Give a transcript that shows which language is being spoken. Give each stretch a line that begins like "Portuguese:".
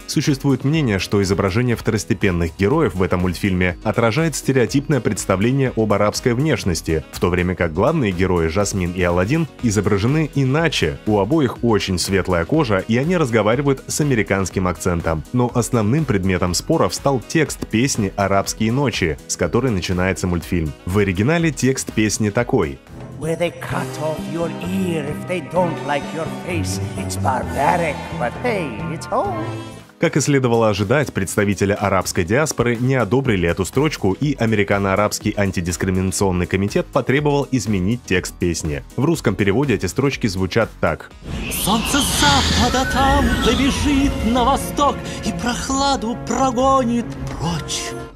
Russian: Существует мнение, что изображение второстепенных героев в этом мультфильме отражает стереотипное представление об арабской внешности, в то время как главные герои Жасмин и Аладдин изображены иначе. У обоих очень светлая кожа, и они разговаривают с американским акцентом. Но основным предметом споров стал текст песни «Арабские ночи», с которой начинается мультфильм. В оригинале текст песни такой.
English: Where they cut off your ear if they don't like your face. It's barbaric, but hey, it's home.
Russian: Как и следовало ожидать, представители арабской диаспоры не одобрили эту строчку, и Американо-арабский антидискриминационный комитет потребовал изменить текст песни. В русском переводе эти строчки звучат так. Солнце с запада там забежит на восток и прохладу прогонит прочь.